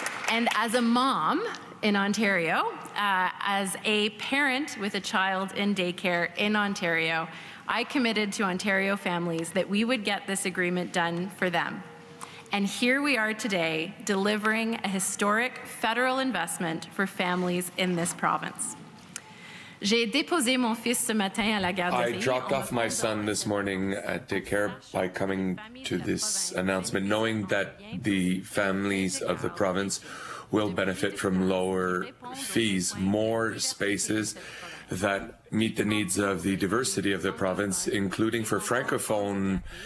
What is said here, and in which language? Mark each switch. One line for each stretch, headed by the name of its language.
English: And as a mom in Ontario, as a parent with a child in daycare in Ontario, I committed to Ontario families that we would get this agreement done for them. And here we are today, delivering a historic federal investment for families in this province.
French: J'ai déposé mon fils ce matin à la garderie.
English: I dropped off my son this morning at daycare by coming to this announcement, knowing that the families of the province will benefit from lower fees, more spaces that meet the needs of the diversity of the province, including for Francophone